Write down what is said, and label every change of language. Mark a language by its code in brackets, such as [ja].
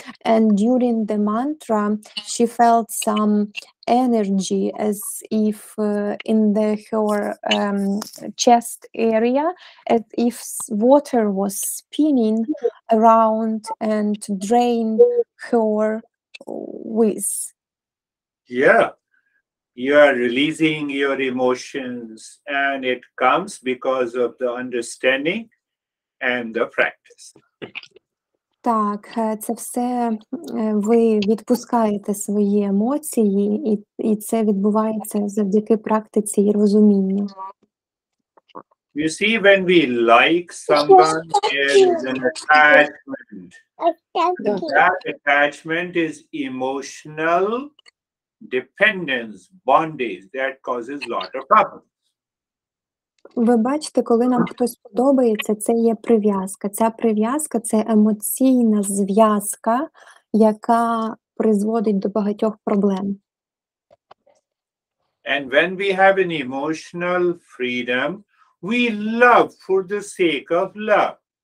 [en] And during the mantra, she felt some energy, as if in the her chest area, as if water was spinning around and drained her with. Yeah, you are releasing your emotions, and it comes because of the understanding and the practice. [uk] Так, це все, ви відпускаєте свої емоції, і це відбувається завдяки практиці і розумінню. [en] You see, when we like someone, there is an attachment. That attachment is emotional dependence, bondage, that causes a lot of problems. [uk] Ви бачите, коли нам хтось подобається, це є прив'язка. Ця прив'язка – це емоційна зв'язка, яка призводить до багатьох проблем. [en] And when we have an emotional freedom, we love for the sake of love.